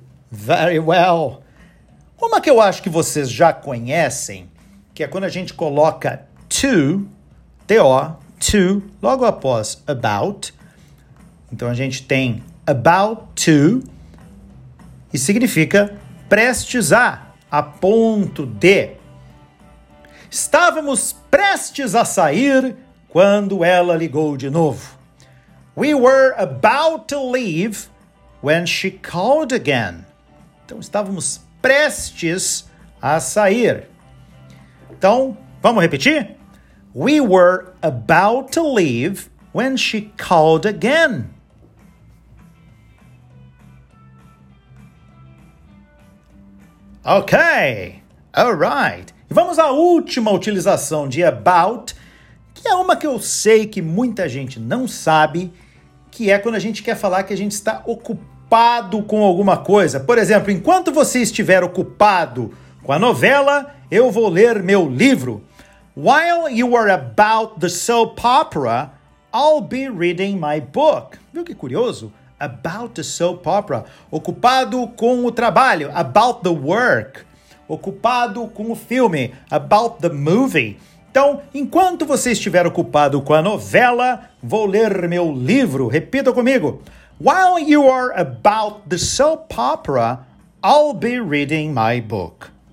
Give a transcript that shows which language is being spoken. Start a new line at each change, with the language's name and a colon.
English: Very well.
Portuguese: Uma que eu acho que vocês já conhecem, que é quando a gente coloca to, T-O, to, logo após about. Então a gente tem about to e significa prestes a ponto de. Estávamos prestes a sair quando ela ligou de novo.
English: We were about to leave when she called again.
Portuguese: Então, estávamos prestes a sair. Então, vamos repetir?
English: We were about to leave when she called again. Ok, all right.
Portuguese: E vamos à última utilização de about, que é uma que eu sei que muita gente não sabe, que é quando a gente quer falar que a gente está ocupado com alguma coisa. Por exemplo, enquanto você estiver ocupado com a novela, eu vou ler meu livro.
English: While you are about the soap opera, I'll be reading my book.
Portuguese: Viu que curioso?
English: About the soap opera.
Portuguese: Ocupado com o trabalho.
English: About the work.
Portuguese: Ocupado com o filme.
English: About the movie.
Portuguese: Então, enquanto você estiver ocupado com a novela, vou ler meu livro. Repita comigo.
English: While you are about the soap opera, I'll be reading my book.